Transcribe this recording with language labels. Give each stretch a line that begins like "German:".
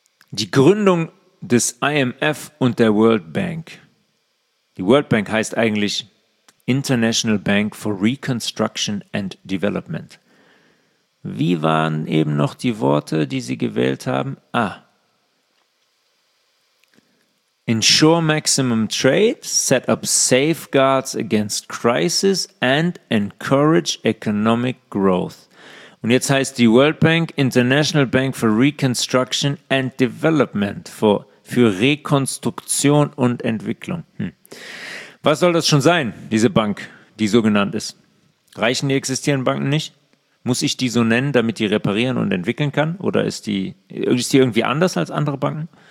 German: Die Gründung des IMF und der World Bank. Die World Bank heißt eigentlich International Bank for Reconstruction and Development. Wie waren eben noch die Worte, die sie gewählt haben? Ah.
English: Ensure maximum trade, set up safeguards against crisis and encourage economic growth.
German: Und jetzt heißt die World Bank International Bank for Reconstruction and Development, für Rekonstruktion und Entwicklung. Was soll das schon sein, diese Bank, die so genannt ist? Reichen die existierenden Banken nicht? Muss ich die so nennen, damit die reparieren und entwickeln kann? Oder ist die irgendwie anders als andere Banken?